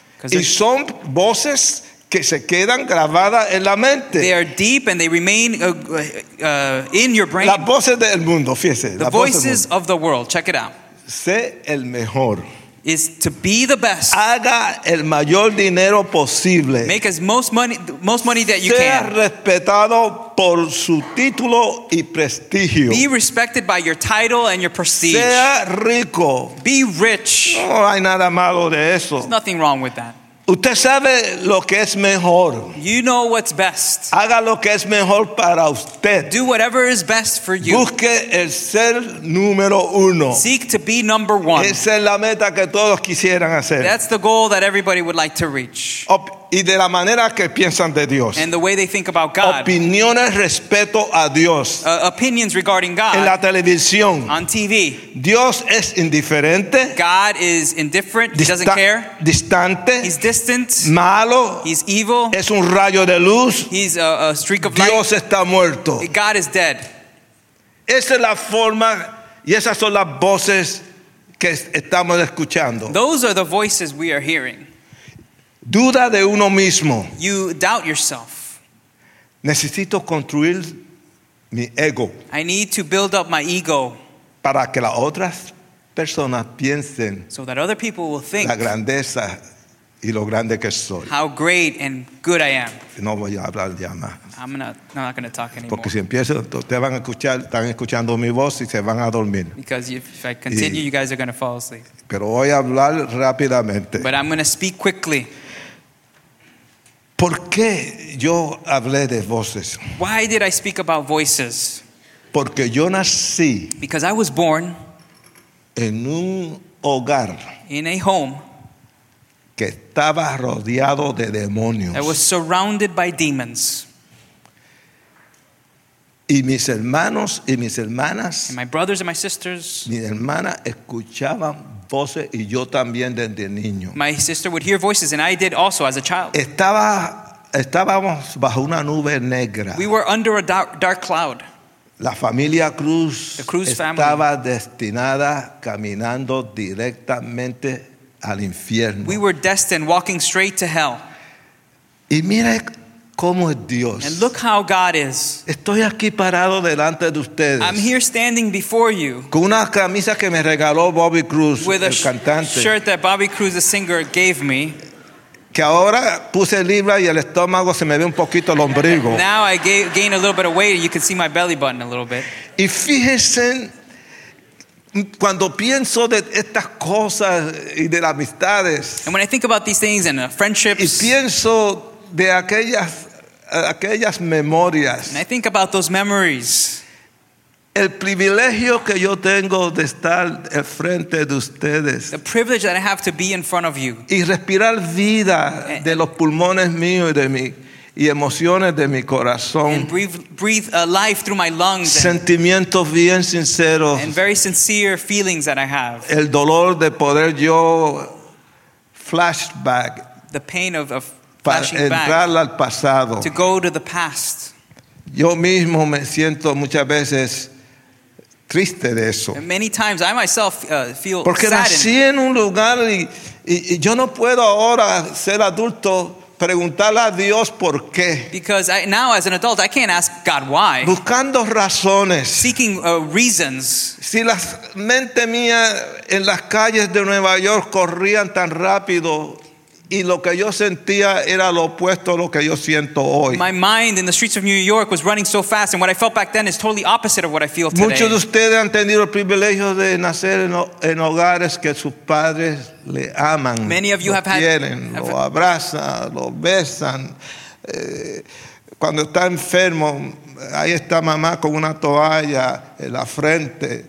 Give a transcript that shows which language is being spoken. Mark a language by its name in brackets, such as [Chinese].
[Spanish] Y son voces que se quedan grabadas en la mente. [English] They are deep and they remain in your brain. [Spanish] Las voces del mundo, fíjese. [English] The voices of the world, check it out. [Spanish] Sé el mejor. [English] Is to be the best. [Spanish] Haga el mayor dinero posible. [English] Make as most money that you [Spanish] sea [English] can. [Spanish] Sea respetado por su título y prestigio. [English] Be respected by your title and your prestige. [Spanish] Sea rico. [English] Be rich. [Spanish] No hay nada malo de eso. [English] There's nothing wrong with that. [Spanish] Usted sabe lo que es mejor. [English] You know what's best. [Spanish] Haga lo que es mejor para usted. [English] Do whatever is best for you. [Spanish] Busque el ser número uno. [English] Seek to be number one. [Spanish] Esa es la meta que todos quisieran hacer. [English] That's the goal that everybody would like to reach. [Spanish] Y de la manera que piensan de Dios. [English] And the way they think about God. [Spanish] Opiniones respecto a Dios. [English] Opinions regarding God. [Spanish] En la televisión. [English] On TV. [Spanish] Dios es indiferente. [English] God is indifferent. He doesn't care. [Spanish] Distante. [English] He's distant. [Spanish] Malo. [English] He's evil. [Spanish] Es un rayo de luz. [English] He's a streak of [Spanish] Dios [English] light. [Spanish] Dios está muerto. [English] God is dead. [Spanish] Esa es la forma y esas son las voces que estamos escuchando. [English] Those are the voices we are hearing. [Spanish] Duda de uno mismo. [English] You doubt yourself. [Spanish] Necesito construir mi ego. [English] I need to build up my ego. [Spanish] Para que las otras personas piensen. [English] So that other people will think. [Spanish] La grandeza y lo grande que soy. [English] How great and good I am. [Spanish] No voy a hablar ya más. [English] I'm not going to talk anymore. [Spanish] Porque si empiezo, te van a escuchar, están escuchando mi voz y se van a dormir. [English] Because if I continue, you guys are going to fall asleep. [Spanish] Pero voy a hablar rápidamente. [English] But I'm going to speak quickly. [Spanish] ¿Por qué yo hablé de voces? [English] Why did I speak about voices? [Spanish] Porque yo nací. [English] Because I was born. [Spanish] En un hogar. [English] In a home. [Spanish] Que estaba rodeado de demonios. [English] I was surrounded by demons. [Spanish] Y mis hermanos y mis hermanas. [English] And my brothers and my sisters. [Spanish] Mi hermana escuchaba voces y yo también desde niño. [English] My sister would hear voices and I did also as a child. [Spanish] Estábamos bajo una nube negra. [English] We were under a dark cloud. [Spanish] La familia Cruz, [English] the Cruz [Spanish] estaba [English] family. [Spanish] Destinada caminando directamente al infierno. [English] We were destined walking straight to hell. [Spanish] Y mire cómo es Dios. [English] And look how God is. [Spanish] Estoy aquí parado delante de ustedes. [English] I'm here standing before you. [Spanish] Con una camisa que me regaló Bobby Cruz, el cantante. [English] With a shirt that Bobby Cruz, the singer, gave me. [Spanish] Que ahora puse libra y el estómago se me ve un poquito el ombligo. [English] Now I gained a little bit of weight. You can see my belly button a little bit. [Spanish] Y fíjense, cuando pienso de estas cosas y de las amistades. [English] And when I think about these things and friendships. [Spanish] Y pienso de aquellas memorias. [English] And I think about those memories. [Spanish] El privilegio que yo tengo de estar en frente de ustedes. [English] The privilege that I have to be in front of you. [Spanish] Y respirar vida de los pulmones míos y de mí. Y emociones de mi corazón. [English] And breathe life through my lungs. [Spanish] Sentimientos bien sinceros. [English] And very sincere feelings that I have. [Spanish] El dolor de poder yo flashback. [English] The pain of flashing back, [Spanish] entrar al pasado. [English] To go to the past. [Spanish] Yo mismo me siento muchas veces triste de eso. [English] And many times I myself feel [Spanish] porque [English] saddened. [Spanish] Nací en un lugar y yo no puedo ahora ser adulto preguntarle a Dios por qué. [English] Because I, now as an adult I can't ask God why. [Spanish] Buscando razones. [English] Seeking reasons. [Spanish] Si la mente mía en las calles de Nueva York corrían tan rápido. Y lo que yo sentía era lo opuesto a lo que yo siento hoy. [English] My mind in the streets of New York was running so fast, and what I felt back then is totally opposite of what I feel today. [Spanish] Muchos de ustedes han tenido el privilegio de nacer en hogares que sus padres le aman. [English] Many of you [Spanish] lo [English] have [Spanish] quieren, [English] had, [Spanish] lo abrazan, lo besan. Cuando está enfermo, ahí está mamá con una toalla en la frente.